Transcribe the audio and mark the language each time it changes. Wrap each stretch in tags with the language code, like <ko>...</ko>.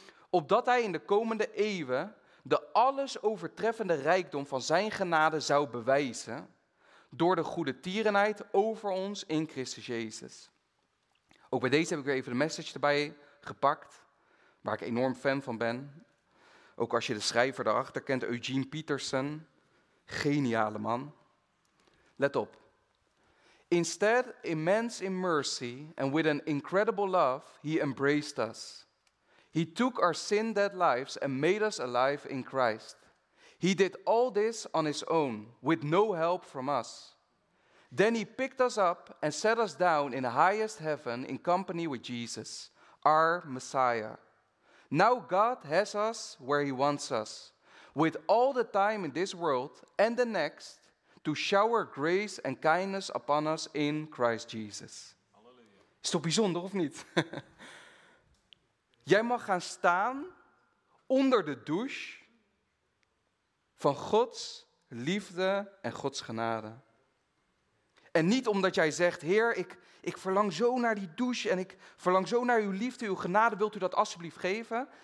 <nl>Opdat hij in de komende eeuwen de alles overtreffende rijkdom van zijn genade zou bewijzen door de goede tierenheid over ons in Christus Jezus. Ook bij deze heb ik weer even de message erbij gepakt, waar ik enorm fan van ben. Ook als je de schrijver daarachter kent, Eugene Peterson, geniale man. Let op.</nl> <en>Instead, immense in mercy and with an incredible love, he embraced us. He took our sin-dead lives and made us alive in Christ. He did all this on his own, with no help from us. Then he picked us up and set us down in the highest heaven in company with Jesus, our Messiah. Now God has us where he wants us, with all the time in this world and the next, to shower grace and kindness upon us in Christ Jesus.</en> <nl>Halleluja. Is toch bijzonder, of niet? Jij mag gaan staan onder de douche van Gods liefde en Gods genade. En niet omdat jij zegt, Heer, ik verlang zo naar die douche en ik verlang zo naar uw liefde, uw genade, wilt u dat alsjeblieft geven?</nl>